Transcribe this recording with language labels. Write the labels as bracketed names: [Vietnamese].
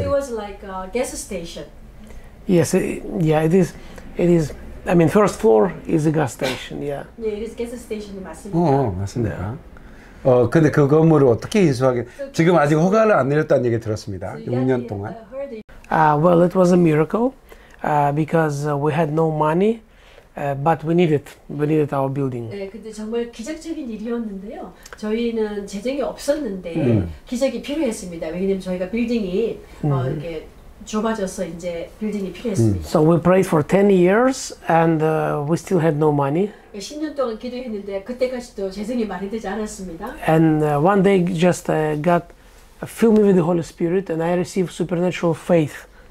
[English] So it was like a gas station. Yes, it is. It is. I mean, first floor is a gas station. Yeah. Yeah, it is gas station [Korean] 맞습니다. 어, 맞습니다. Yeah. 근데 그 건물을 어떻게 인수하게? 지금 아직 허가를 안 내렸다는 얘기 들었습니다. [English] So [Korean] 6년 동안. [English] Well, it was a miracle, because we had no money. But we need it. We need our building. [Korean] 네, 근데 정말 기적적인 일이었는데요. 저희는 재정이 없었는데 기적이 필요했습니다. 왜냐면 저희가 빌딩이 이렇게 좁아져서 이제 빌딩이 필요했습니다. [English] So we prayed for 10 years and we still had no money. [Korean] 10년 동안 기도했는데 그때까지도 재정이 많이 되지 않았습니다. [English] And one day just got filled me with the Holy Spirit and I received supernatural faith.